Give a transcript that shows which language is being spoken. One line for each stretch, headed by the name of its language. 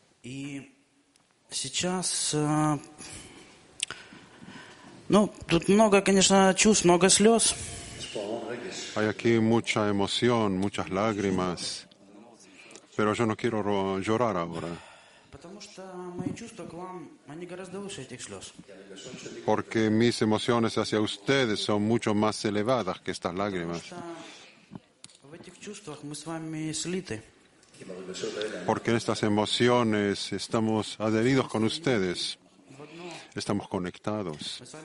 Russian: Y сейчас тут много, конечно, чувств, много слез.
Spanish: Hay aquí mucha emoción, muchas lágrimas, pero yo no quiero llorar ahora.
Russian: Потому что мои чувства к вам, они гораздо выше этих слез.
Spanish: Porque mis emociones hacia ustedes son mucho más elevadas que estas lágrimas.
Russian: В этих чувствах мы с вами слиты.
Spanish: Porque en estas emociones estamos adheridos con ustedes. Estamos conectados.